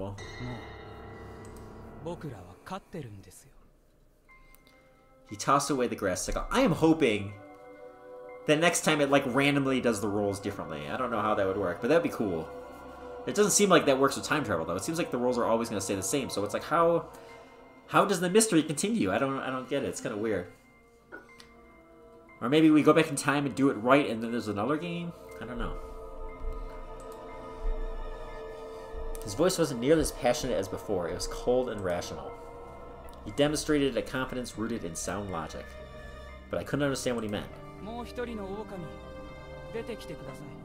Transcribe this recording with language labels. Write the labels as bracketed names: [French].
[Japanese] もう、僕らは勝ってるんですよ。 [English] He tossed away the grass sickle. I am hoping that next time it like randomly does the rolls differently. I don't know how that would work, but that'd be cool. It doesn't seem like that works with time travel though. It seems like the rolls are always going to stay the same. So it's like how does the mystery continue? I don't get it. It's kind of weird. Or maybe we go back in time and do it right and then there's another game? I don't know. His voice wasn't nearly as passionate as before. It was cold and rational. He demonstrated a confidence rooted in sound logic, but I couldn't understand what he meant. [Japanese] もう一人の狼、出てきてください。